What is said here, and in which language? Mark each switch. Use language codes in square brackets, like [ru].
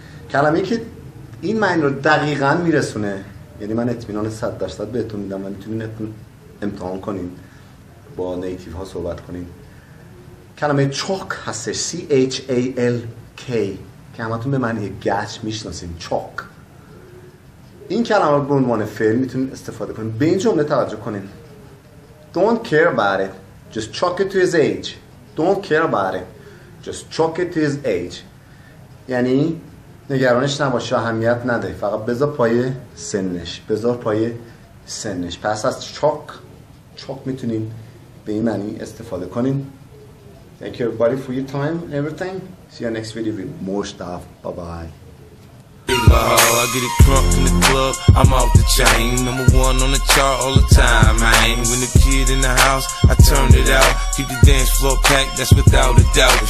[fa] کلمه‌ای که این معنی رو دقیقا میرسونه، یعنی من اطمینان 100% بهتون میدم و میتونین امتحان کنین با نیتیو ها صحبت کنین، کلمه چاک هستش، CHALK، که همتون به معنی گچ میشناسین. چاک، این کلمه رو به عنوان فعل میتونین استفاده کنین. به این جمله توجه کنین: [en] Don't care about it, just chalk it to his age. Don't care about it, just chalk it to his age. [fa] یعنی نگرانش نباشه، اهمیت نده، فقط بذار پای سنش، بذار پای سنش. پس از چاک میتونین به این معنی استفاده کنین. [en] Thank you everybody for your time and everything. See you next video with more stuff. Bye bye. Ball. I get it crunk in the club, I'm off the chain. Number one on the chart all the time, man. When the kid in the house, I turn it out. Keep the dance floor packed, that's without a doubt.